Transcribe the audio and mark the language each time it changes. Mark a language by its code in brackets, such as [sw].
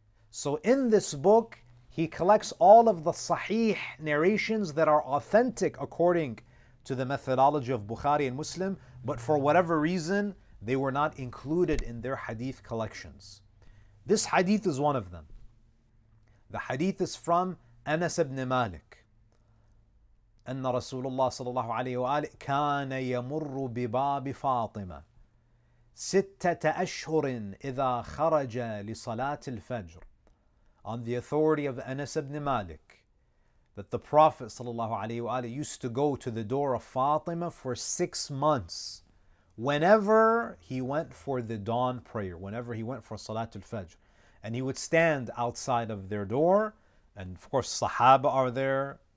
[en] So in this book, he collects all of the sahih narrations that are authentic according to the methodology of Bukhari and Muslim, but for whatever reason, they were not included in their hadith collections. This hadith is one of them. The hadith is from Anas ibn Malik. [ar] أن رسول الله صلى الله عليه وآله كان يمر بباب فاطمة ستة أشهر إذا خرج لصلاة الفجر. [en] On the authority of Anas ibn Malik, that the Prophet sallallahu alayhi wa alayhi used to go to the door of Fatima for 6 months whenever he went for the dawn prayer, whenever he went for Salatul Fajr. And he would stand outside of their door, and of course Sahaba are there.